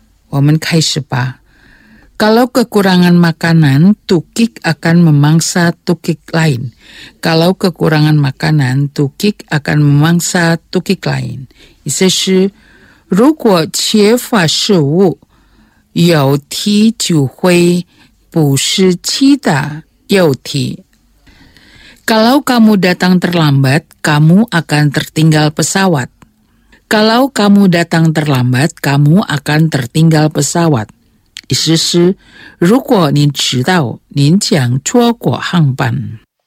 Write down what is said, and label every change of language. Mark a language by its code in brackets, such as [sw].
[zh] 我们开始吧。 [id] Kalau kekurangan makanan, tukik akan memangsa tukik lain. Kalau kekurangan makanan, tukik akan memangsa tukik lain. [zh] 意思是如果缺乏食物，幼体就会捕食其他幼体。 [id] Kalau kamu datang terlambat, kamu akan tertinggal pesawat. Kalau kamu datang terlambat, kamu akan tertinggal pesawat. [zh] 意思是，如果您迟到，您将错过航班。